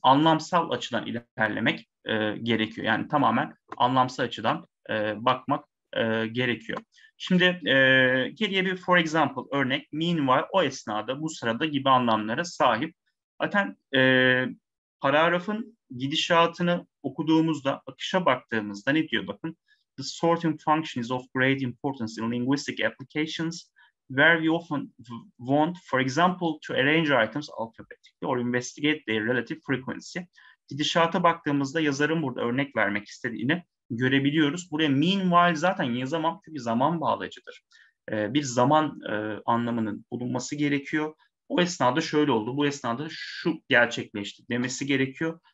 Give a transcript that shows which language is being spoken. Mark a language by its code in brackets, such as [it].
[tr] Anlamsal açıdan ilerlemek gerekiyor. Yani tamamen anlamsal açıdan bakmak gerekiyor. Şimdi geriye bir for example örnek. Meanwhile o esnada bu sırada gibi anlamlara sahip. Zaten paragrafın gidişatını okuduğumuzda akışa baktığımızda ne diyor bakın. [en] The sorting function is of great importance in linguistic applications where we often want for example to arrange items alphabetically or investigate their relative frequency. [tr] Gidişata baktığımızda yazarın burada örnek vermek istediğini görebiliyoruz. Buraya meanwhile zaten yazamam çünkü zaman bağlayıcıdır. Bir zaman anlamının bulunması gerekiyor. O esnada şöyle oldu. Bu esnada şu gerçekleşti demesi gerekiyor.